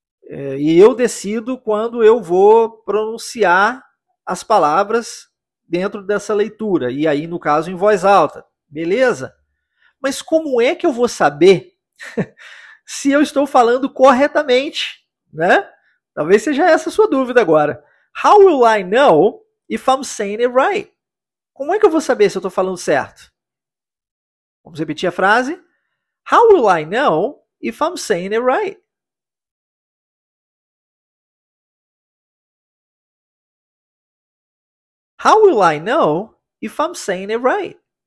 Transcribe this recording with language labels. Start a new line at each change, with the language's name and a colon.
Portuguese: E eu decido quando eu vou pronunciar as palavras dentro dessa leitura, e aí, no caso, em voz alta. Beleza? Mas como é que eu vou saber se eu estou falando corretamente? Né? Talvez seja essa a sua dúvida agora.
English: How will I know if I'm saying it right?
Portuguese: Como é que eu vou saber se eu estou falando certo? Vamos repetir a frase.
English: How will I know if I'm saying it right? How will I know if I'm saying it right?